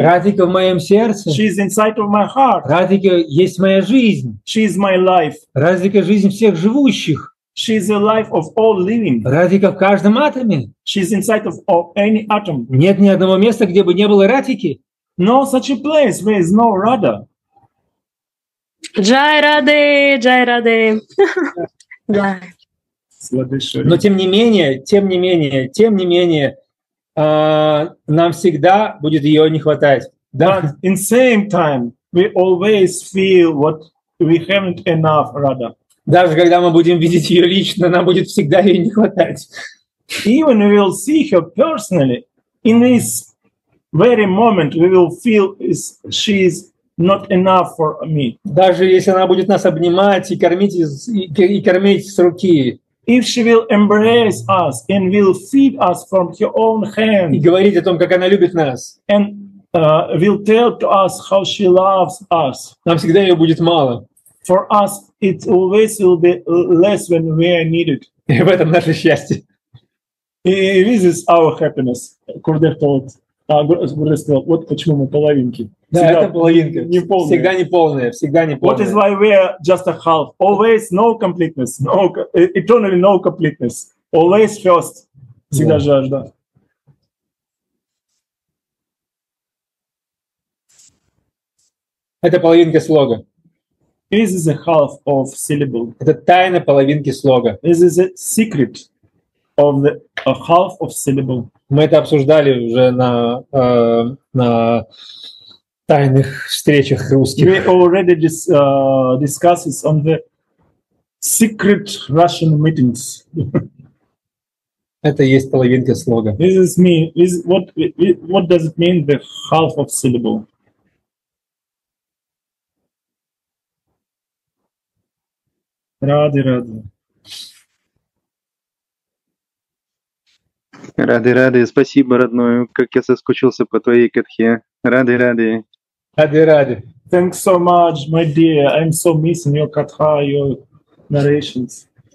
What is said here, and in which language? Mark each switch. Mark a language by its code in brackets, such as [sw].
[ru] Радика в моем сердце. [en] She is inside of my heart. [ru] Радика есть моя жизнь. [en] She is my life. [ru] Радика — жизнь всех живущих. [en] She is the life of all living. [ru] Радика в каждом атоме. [en] She is inside of any atom. [ru] Нет ни одного места, где бы не было Радики. [en] No such a place where is no Radha. [hi] Джай Раде, Джай Раде. [ru] Но тем не менее, нам всегда будет ее не хватать. Да. [en] But in same time, we always feel what we haven't enough Radha. [ru] Даже когда мы будем видеть ее лично, нам будет всегда ее не хватать. [en] Even we will see her personally, in this very moment we will feel is she is not enough for me. [ru] Даже если она будет нас обнимать и кормить с руки. [en] If she will embrace us and will feed us from her own hand. [ru] И говорить о том, как она любит нас. [en] And will tell to us how she loves us. [ru] Нам всегда ее будет мало. [en] For us, it always will be less when we are needed. [ru] И в этом наше счастье. [en] And this is our happiness. [ru] Курдер сказал, вот почему мы половинки. Да, всегда это половинка. Всегда неполная. [en] What is why we are just a half? Always no completeness. No, eternally no completeness. Always first. [ru] Всегда [en] yeah. [ru] Жажда. Это половинка слога. [en] This is a half of syllable. [ru] Это тайна половинки слога. [en] This is a secret of the a half of syllable. [ru] Мы это обсуждали уже на тайных встречах русских. [en] We already discussed on the secret Russian meetings. [ru] Это есть половинка слога. [en] This is me. This what does it mean the half of syllable? [ru] Рады. Спасибо, родной. Как я соскучился по твоей катхе. Рады. [en] Thanks so much, my dear. I'm so missing your katha, your narrations.